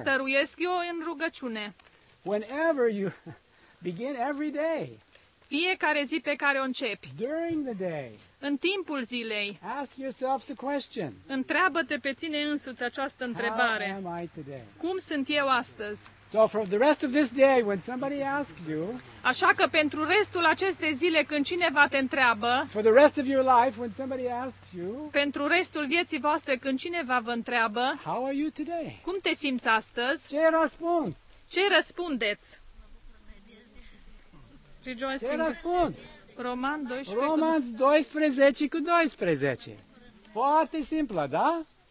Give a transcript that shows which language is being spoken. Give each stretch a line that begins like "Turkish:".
Romanian: Stăruiesc eu în rugăciune?
English: Whenever you begin every day.
Romanian: Fiecare zi pe care o începi.
English: During the day.
Romanian: În timpul zilei,
English: ask yourself the question,
Romanian: întreabă-te pe tine însuți această întrebare.
English: How am I today?
Romanian: Cum sunt eu astăzi?
English: So for the rest of this day, when somebody asks you,
Romanian: așa că pentru restul acestei zile, când cineva te întreabă,
English: for the rest of your life, when somebody asks you,
Romanian: pentru restul vieții voastre, când cineva vă întreabă,
English: how are you today?
Romanian: Cum te simți astăzi? Ce răspunzi? Ce răspundeți? Ce răspunzi?
English: Romans 12:12.
Romanian: Foarte simplă, da?